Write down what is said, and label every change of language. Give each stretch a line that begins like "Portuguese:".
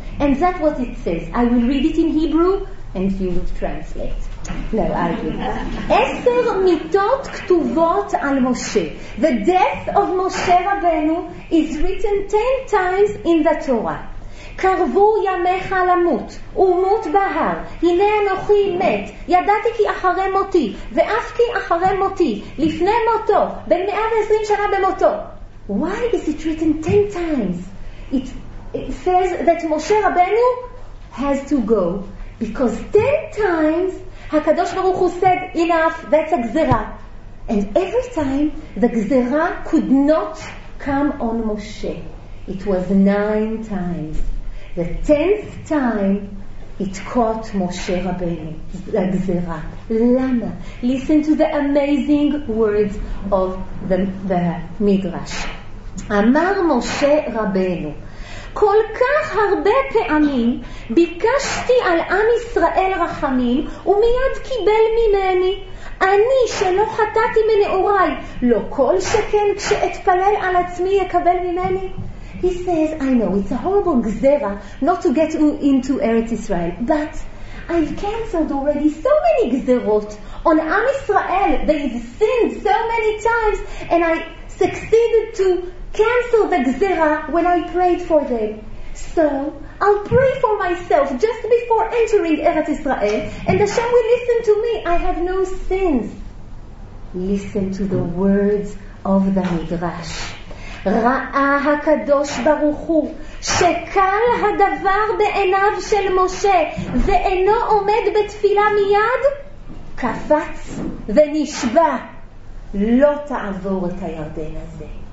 English: And that's what it says. I will read it in Hebrew and you will translate. No, I will.
Hebrew: Eser mitot ktuvot al Moshe.
English: The death of Moshe Rabbeinu is written 10 times in the Torah.
Hebrew: קרבו ימיך למות, ומות בהר. הנה אנוכי מת, ידעתי כי אחרי מותי, ואף כי אחרי מותי, לפני מותו, בין 120 שנה במותו.
English: Why is it written 10 times? It says that Moshe Rabbeinu has to go. Because 10 times, הקדוש ברוך הוא said enough, that's a גזירה. And every time, the גזירה could not come on Moshe. It was 9 times. The 10th time it caught Moshe Rabbeinu, the Gzera. Lama. Listen to the amazing words of the Midrash.
Hebrew: Amar Moshe Rabbeinu, כל כך הרבה פעמים ביקשתי על עם ישראל רחמים ומיד קיבל ממני. אני שלא חטאתי מנעוריי, לא כל שכן כשאתפלל על עצמי יקבל ממני.
English: He says, I know, it's a horrible gzera not to get into Eretz Israel, but I've cancelled already so many gzerot on Am Israel. They've sinned so many times, and I succeeded to cancel the gzera when I prayed for them. So, I'll pray for myself just before entering Eretz Israel, and Hashem will listen to me. I have no sins. Listen to the words of the Midrash.
Hebrew: ראה הקדוש ברוך הוא שקל הדבר בעיניו של משה ואינו עומד בתפילה מיד, קפץ ונשבע, לא תעבור את הירדן הזה.